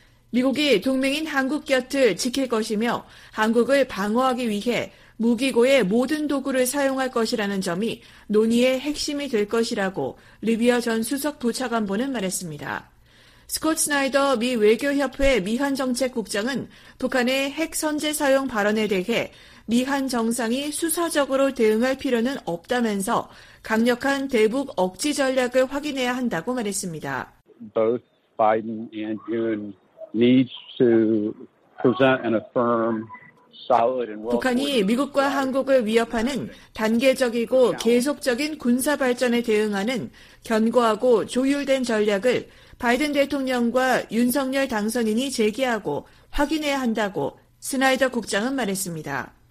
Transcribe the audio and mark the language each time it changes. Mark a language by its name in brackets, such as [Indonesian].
[Korean] 미국이 동맹인 한국 곁을 지킬 것이며 한국을 방어하기 위해 무기고의 모든 도구를 사용할 것이라는 점이 논의의 핵심이 될 것이라고 리비아 전 수석 부차관보는 말했습니다. 스콧 스나이더 미 외교협회 미한정책국장은 북한의 핵 선제 사용 발언에 대해 미한 정상이 수사적으로 대응할 필요는 없다면서 강력한 대북 억지 전략을 확인해야 한다고 말했습니다. [English] Both Biden and Yoon need to present an affirm, solid and [Korean] 북한이 미국과 한국을 위협하는 단계적이고 계속적인 군사 발전에 대응하는 견고하고 조율된 전략을 바이든 대통령과 윤석열 당선인이 제기하고 확인해야 한다고 스나이더 국장은 말했습니다.